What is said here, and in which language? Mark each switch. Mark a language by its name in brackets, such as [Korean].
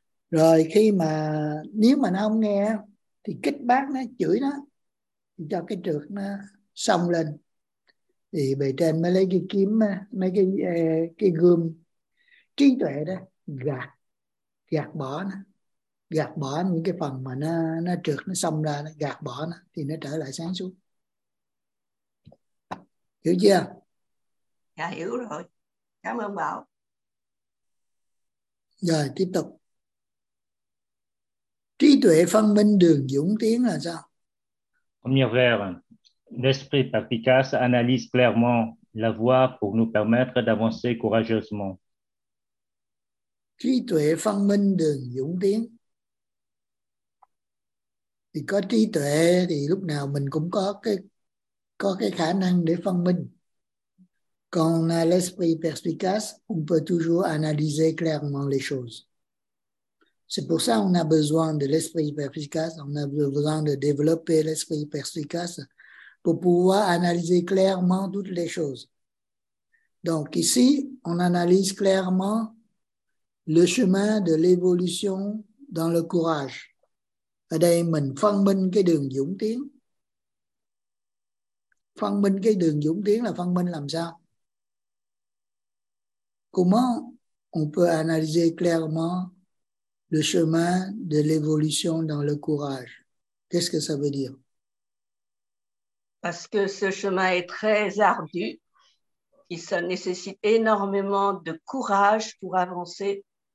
[Vietnamese] Rồi khi mà nếu mà nó không nghe thì kích bác nó, chửi nó cho cái trượt nó xông lên, thì bề trên mới lấy cái kiếm, mấy cái gươm trí tuệ đó gạt bỏ những cái phần mà nó trượt nó xông ra, nó gạt bỏ nó thì nó trở lại sáng suốt. Hiểu chưa? Dạ hiểu rồi, cảm ơn Bảo. Rồi tiếp tục. Trí tuệ phân minh đường dũng tiến là sao? [French] Premier vers, l'esprit perspicace analyse clairement la voie pour nous permettre d'avancer courageusement. [Vietnamese] Trí tuệ phân minh đường dũng tiến. Thì có trí tuệ thì lúc nào mình cũng có cái khả năng để phân minh. [French] Quand on a l'esprit perspicace, on peut toujours analyser clairement les choses. C'est pour ça qu'on a besoin de l'esprit perspicace, on a besoin de développer l'esprit perspicace pour pouvoir analyser clairement toutes les choses. Donc ici, on analyse clairement le chemin de l'évolution dans le courage. [Vietnamese] Ở đây mình phân minh cái đường dũng tiến. Phân minh cái đường dũng tiến là phân minh làm sao? [French] Comment on peut analyser clairement le chemin de l'évolution dans le courage. Qu'est-ce que ça veut dire? Parce que ce chemin est très ardu et ça nécessite énormément de courage pour avancer.